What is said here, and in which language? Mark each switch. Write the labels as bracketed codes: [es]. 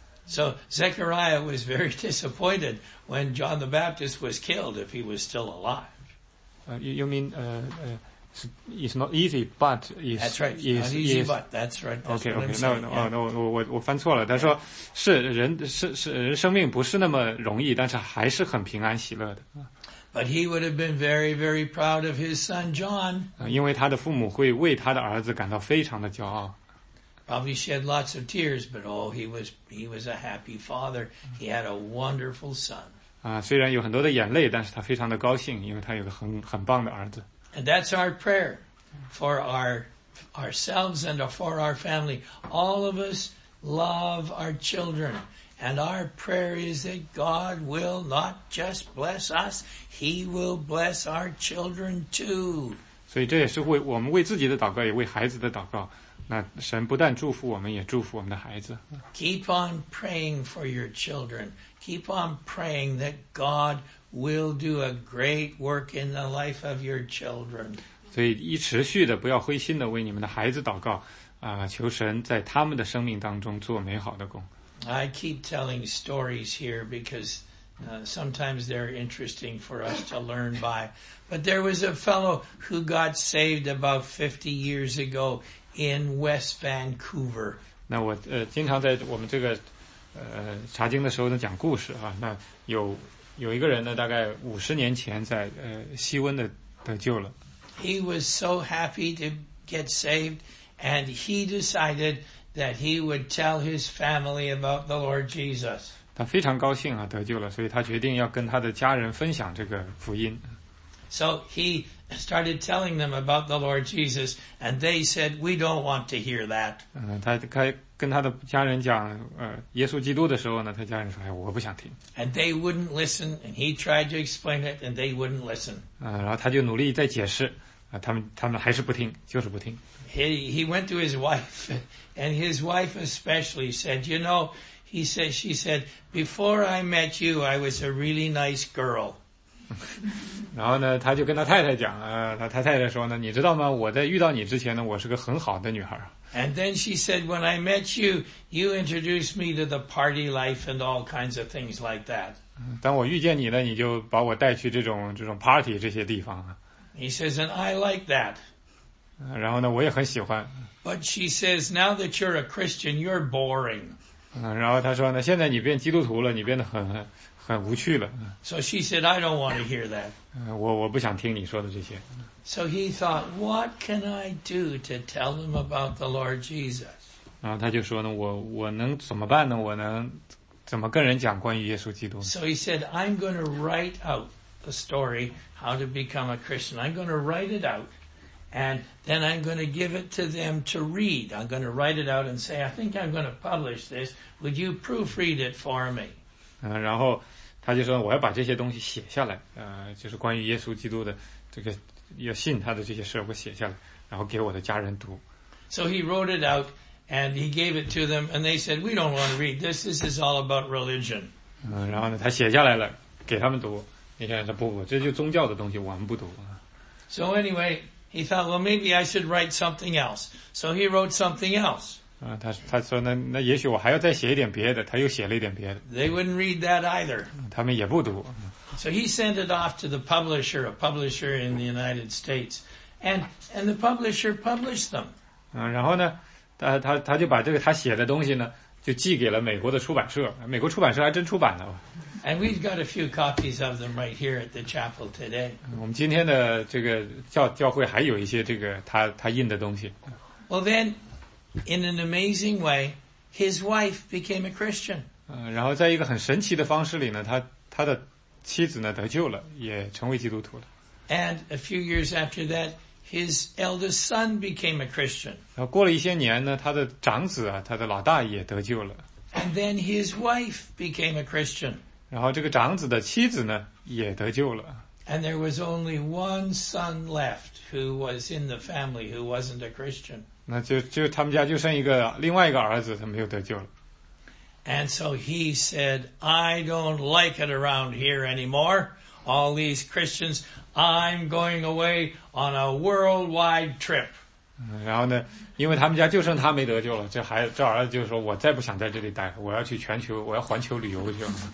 [en] So Zechariah was very disappointed when John the Baptist was killed if he was still alive. You mean It's not easy, but it's... That's right, it's not easy, but that's right. That's okay, okay, saying, no, yeah. Oh, no, [zh] 我翻错了。他说、 [en] yeah. [zh] 是人是人生命不是那么容易，但是还是很平安喜乐的。 [en] But he would have been very, very proud of his son John. [zh] 因为他的父母会为他的儿子感到非常的骄傲。 [en] Probably shed lots of tears, but oh, he was a happy father. He had a wonderful son. [zh] 虽然有很多的眼泪，但是他非常的高兴，因为他有个很棒的儿子。 [en] And that's our prayer for ourselves and for our family. All of us love our children. And our prayer is that God will not just bless us, He will bless our children too. [zh] 所以这也是为我们为自己的祷告，也为孩子的祷告。那神不但祝福我们，也祝福我们的孩子。 [en] Keep on praying for your children. Keep on praying that God will do a great work in the life of your children. [zh] 所以一持续的不要灰心的为你们的孩子祷告，求神在他们的生命当中做美好的工。 [en] I keep telling stories here because sometimes they're interesting for us to learn by. But there was a fellow who got saved about 50 years ago in West Vancouver. [zh] 那我经常在我们这个查经的时候呢讲故事啊。那有一个人呢，大概50年前在西温的得救了。 [en] He was so happy to get saved, and he decided. That he would tell his family about the Lord Jesus. [zh] 他非常高兴啊，得救了，所以他决定要跟他的家人分享这个福音。 [en] So he started telling them about the Lord Jesus, and they said, "We don't want to hear that." [zh] 他开跟他的家人讲耶稣基督的时候呢，他家人说，哎，我不想听。 [en] And they wouldn't listen, and he tried to explain it, and they wouldn't listen. [zh] 然后他就努力在解释。他们还是不听，就是不听。 [en] He went to his wife, and his wife especially said, "You know," she said, "Before I met you, I was a really nice girl." [zh] 然后呢，他就跟他太太讲，他太太说呢，你知道吗？我在遇到你之前呢，我是个很好的女孩。 [en] And then she said, "When I met you, you introduced me to the party life and all kinds of things like that." [zh] 当我遇见你呢，你就把我带去这种 party 这些地方啊。 [en] He says, and I like that. [zh] 然后呢，我也很喜欢。 [en] But she says, now that you're a Christian, you're boring. [zh] 然后他说呢，现在你变基督徒了，你变得很无趣了。 [en] So she said, I don't want to hear that. [zh] 我不想听你说的这些。 [en] So he thought, what can I do to tell them about the Lord Jesus? [zh] 然后他就说呢，我能怎么办呢？我能怎么跟人讲关于耶稣基督？ [en] So he said, I'm going to write out. The story, how to become a Christian. I'm going to write it out, and then I'm going to give it to them to read. I'm going to write it out and say, I think I'm going to publish this. Would you proofread it for me? [zh] 然后他就说，我要把这些东西写下来，就是关于耶稣基督的这个要信他的这些事，我写下来，然后给我的家人读。 [en] So he wrote it out, and he gave it to them, and they said, we don't want to read this. This is all about religion. [zh] 然后呢，他写下来了，给他们读。你看，不，这就宗教的东西，我们不读。 [en] So anyway, he thought, well, maybe I should write something else. So he wrote something else. [zh] 他说呢，那也许我还要再写一点别的。他又写了一点别的。 [en] They wouldn't read that either. [zh] 他们也不读。 [en] So he sent it off to the publisher, a publisher in the United States, and the publisher published them. [zh] 然后呢，他就把这个他写的东西呢，就寄给了美国的出版社。美国出版社还真出版了。 [en] And we've got a few copies of them right here at the chapel today. [zh] 我们今天的这个教会还有一些这个他印的东西。 [en] Well then, in an amazing way, his wife became a Christian. [zh] 然后在一个很神奇的方式里呢，他的妻子呢得救了，也成为基督徒了。 [en] And a few years after that, his eldest son became a Christian. [zh] 然后过了一些年呢，他的长子啊，他的老大也得救了。 [en] And then his wife became a Christian. [zh] 然后这个长子的妻子呢也得救了。 [en] And there was only one son left who was in the family who wasn't a Christian. [zh] 那就他们家就剩一个另外一个儿子他没有得救了。 [en] And so he said, I don't like it around here anymore, all these Christians, I'm going away on a worldwide trip. [zh] 然后呢因为他们家就剩他没得救了这儿子就说我再不想在这里待我要去全球我要环球旅游去了。